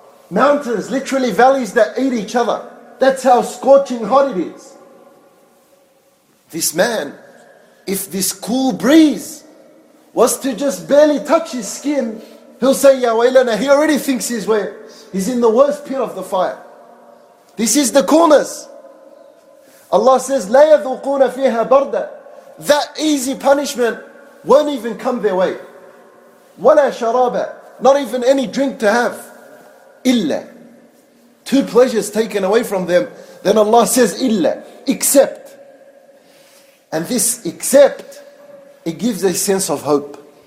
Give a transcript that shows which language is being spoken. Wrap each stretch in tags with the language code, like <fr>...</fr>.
<en>Mountains, literally valleys that eat each other. That's how scorching hot it is. This man, if this cool breeze was to just barely touch his skin, he'll say, Ya waylana, he already thinks he's where. He's in the worst pit of the fire. This is the coolness. Allah says,</en> <ar>لَا يَذُوقُونَ فِيهَا بَرْدًا.</ar> <en>That easy punishment won't even come their way.</en> <ar>وَلَا شَرَابًا.</ar> <en>Not even any drink to have. Illa, two pleasures taken away from them. Then Allah says, illa, except. And this except, it gives a sense of hope.</en>